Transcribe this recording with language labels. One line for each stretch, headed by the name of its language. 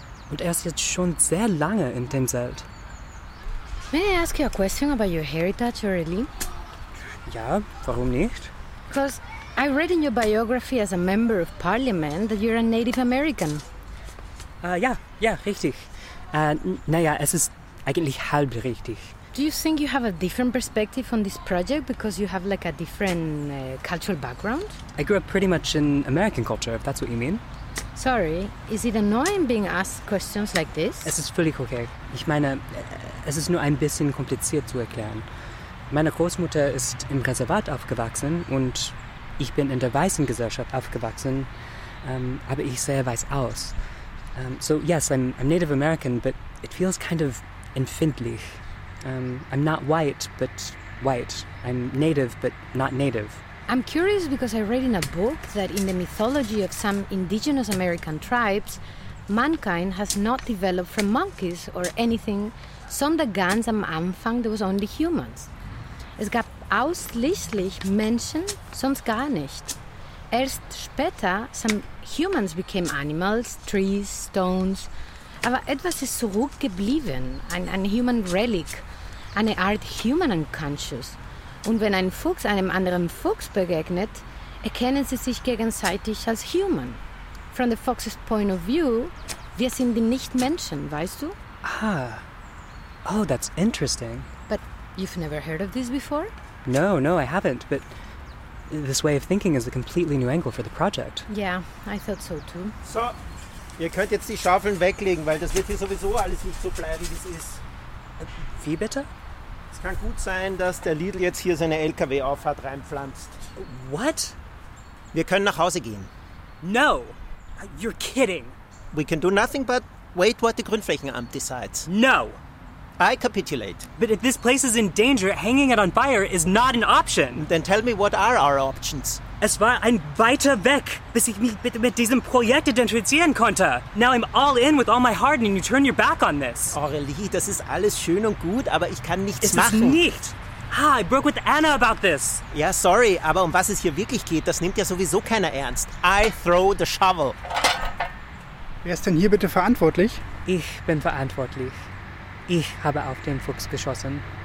German: Und er ist jetzt schon sehr lange in dem Zelt.
English: May I ask you a question about your heritage, Aurélie?
German: Ja, warum nicht?
English: Because I read in your biography as a member of parliament that you're a Native American.
German: Ja, richtig. Naja, es ist eigentlich halb richtig.
English: Do you think you have a different perspective on this project because you have like a different cultural background? I grew up pretty much in American culture, if that's what you mean. Sorry, is it annoying being asked questions like this?
German: Es ist völlig okay. Ich meine, es ist nur ein bisschen kompliziert zu erklären. Meine Großmutter ist im Reservat aufgewachsen und ich bin in der weißen Gesellschaft aufgewachsen, aber ich sehe weiß aus.
English: So yes, I'm Native American, but it feels kind of empfindlich. I'm not white, but white. I'm Native, but not Native. I'm curious because I read in a book that in the mythology of some indigenous American tribes, mankind has not developed from monkeys or anything,
German: sondern ganz am Anfang
English: there was only humans.
German: Es gab ausschließlich Menschen, sonst gar nicht. Erst später
English: some humans became animals, trees, stones,
German: aber etwas ist zurückgeblieben, ein
English: human relic,
German: eine Art
English: human unconscious.
German: Und wenn ein Fuchs einem anderen Fuchs begegnet, erkennen sie sich gegenseitig als human.
English: From the fox's point of view,
German: wir sind die Nicht-Menschen, weißt du?
English: Ah, oh, that's interesting. But you've never heard of this before? No, I haven't, but this way of thinking is a completely new angle for the project. Yeah, I thought so too.
German: So, ihr könnt jetzt die Schaufeln weglegen, weil das wird hier sowieso alles nicht so bleiben, wie es ist. Wie bitte? Es kann gut sein, dass der Lidl jetzt hier seine LKW-Auffahrt reinpflanzt.
English: What?
German: Wir können nach Hause gehen.
English: No, you're kidding. We can do nothing but wait what the Grünflächenamt decides. No. I capitulate. But if this place is in danger, hanging it on fire is not an option. Then tell me what are our options.
German: Es war ein weiter Weg, bis ich mich bitte mit diesem Projekt identifizieren konnte.
English: Now I'm all in with all my heart and you turn your back on this.
German: Aurélie, das ist alles schön und gut, aber ich kann nichts es machen. Es ist nicht.
English: Ah, I broke with Anna about this.
German: Ja, sorry, aber um was es hier wirklich geht, das nimmt ja sowieso keiner ernst.
English: I throw the shovel.
German: Wer ist denn hier bitte verantwortlich? Ich bin verantwortlich. Ich habe auf den Fuchs geschossen.